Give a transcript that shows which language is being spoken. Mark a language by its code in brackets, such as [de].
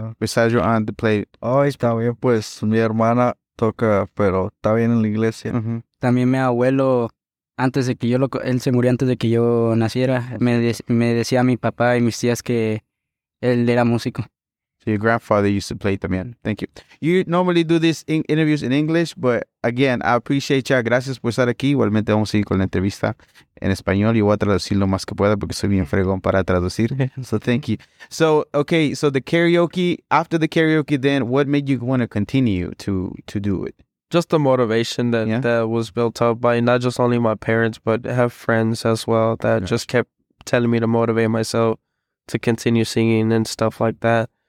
[en] No. Besides your aunt, play. [es] Oh, está bien, pues mi hermana toca, pero está bien en la iglesia. Mm-hmm. También mi abuelo, antes de que yo, él se murió antes de que yo naciera, me decía a mi papá y mis tías que él era músico. [en] So your grandfather used to play también. Thank you. You normally do these interviews in English, but again, I appreciate ya. [es] Gracias por estar aquí. Igualmente vamos a seguir con la entrevista en español. Yo voy a traducir lo más que pueda porque soy bien fregón para traducir. [en] So thank you. So, okay, so the karaoke, after the karaoke then, what made you want to continue to do it? Just the motivation that was built up by not just only my parents, but have friends as well that just kept telling me to motivate myself to continue singing and stuff like that.